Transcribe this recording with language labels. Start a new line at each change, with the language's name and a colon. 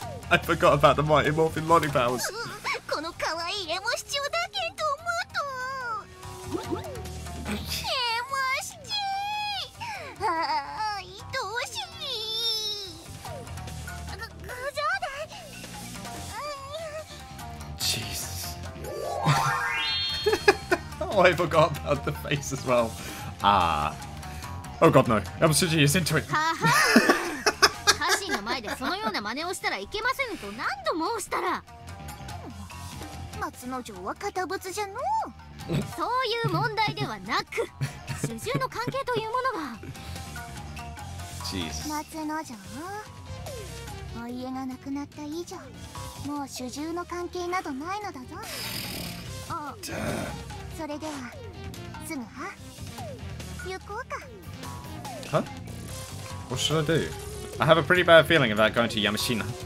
English: I forgot about the Mighty Morphin Lolly Pals.
Japanese: この可愛いエモシチをだけと思うと。エモシチ。愛おしい。ご冗談。
English: Jesus. Oh, I forgot about the face as well. Ah. Oh god no, Emoshiji is into it!
Japanese: Kashi の前でそのような真似をしたらいけませぬと何度申したら松之丞は堅物じゃのう。そういう問題ではなく、主従の関係というものが。
English: Jeez.
Japanese: 松之丞、お家がなくなった以上、もう主従の関係などないのだぞ。それでは、すぐは行こうか。
English: Huh? What should I do? I have a pretty bad feeling about going to Yamashina.